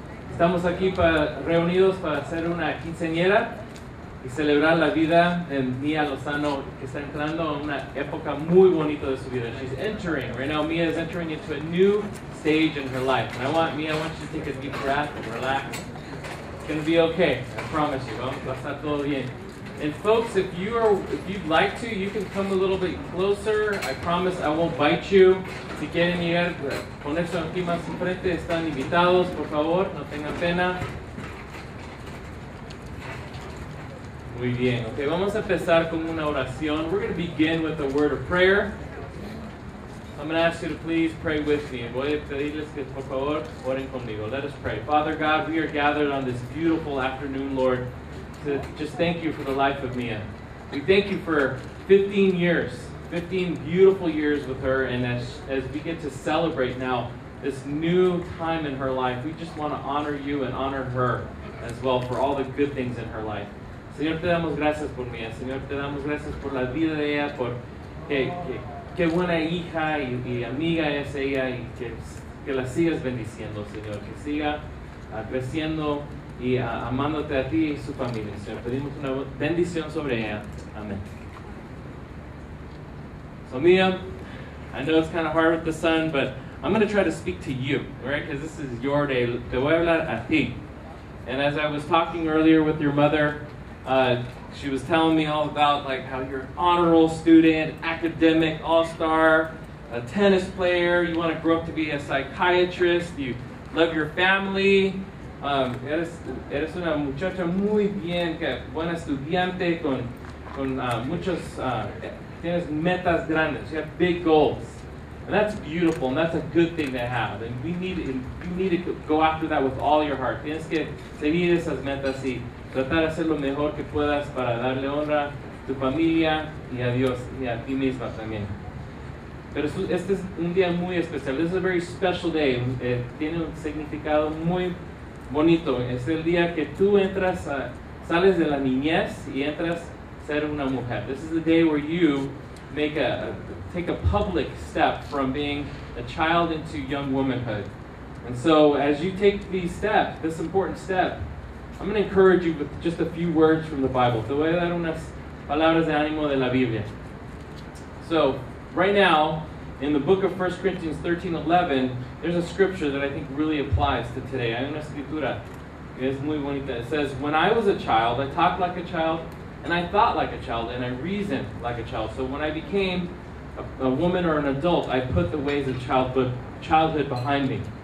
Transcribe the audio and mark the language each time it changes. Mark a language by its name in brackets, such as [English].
[Spanish] Estamos aquí reunidos para hacer una quinceañera y celebrar la vida de Mia Lozano, que está entrando en una época muy bonita de su vida. [English] She's entering right now. Mia is entering into a new stage in her life. And I want you to take a deep breath and relax. It's gonna be okay. I promise you. [Spanish] Va a estar todo bien. [English] And folks, if you'd like to, you can come a little bit closer. I promise I won't bite you. [Spanish] Si quieren ir con eso aquí más enfrente, están invitados, por favor, no tengan pena. Muy bien, ok, vamos a empezar con una oración. [English] We're going to begin with a word of prayer. I'm going to ask you to please pray with me. [Spanish] Voy a pedirles que, por favor, oren conmigo. [English] Let us pray. Father God, we are gathered on this beautiful afternoon, Lord, to just thank you for the life of Mia. We thank you for 15 years. 15 beautiful years with her, and as we get to celebrate now this new time in her life, we just want to honor you and honor her as well for all the good things in her life. [Spanish] Señor, te damos gracias por Mia. Señor, te damos gracias por la vida de ella, por que buena hija y amiga es ella, y que la sigas bendiciendo, Señor, que siga creciendo y amándote a ti y su familia. Señor, pedimos una bendición sobre ella. Amén. [English] So Mia, I know it's kind of hard with the sun, but I'm going to try to speak to you, right? Because this is your day. [Spanish] Te voy a hablar a ti. [English] And as I was talking earlier with your mother, she was telling me all about like how you're an honor roll student, academic, all-star, a tennis player. You want to grow up to be a psychiatrist. You love your family. [Spanish] Eres una muchacha muy bien, que buena estudiante con muchos, tienes metas grandes. [English] You have big goals. And that's beautiful, and that's a good thing to have. And you need to go after that with all your heart. [Spanish] Tienes que seguir esas metas y tratar de hacer lo mejor que puedas para darle honra a tu familia y a Dios y a ti misma también. Pero este es un día muy especial. [English] This is a very special day. [Spanish] Tiene un significado muy bonito. Es el día que tú entras, sales de la niñez y entras ser una mujer. [English] This is the day where you take a public step from being a child into young womanhood. And so as you take these steps, this important step, I'm going to encourage you with just a few words from the Bible. [Spanish] Te voy a dar unas palabras de ánimo de la Biblia. [English] So right now, in the book of 1 Corinthians 13:11, there's a scripture that I think really applies to today. [Spanish] Hay una escritura que es muy bonita. [English] It says, when I was a child, I talked like a child, and I thought like a child, and I reasoned like a child. So when I became a woman or an adult, I put the ways of childhood behind me.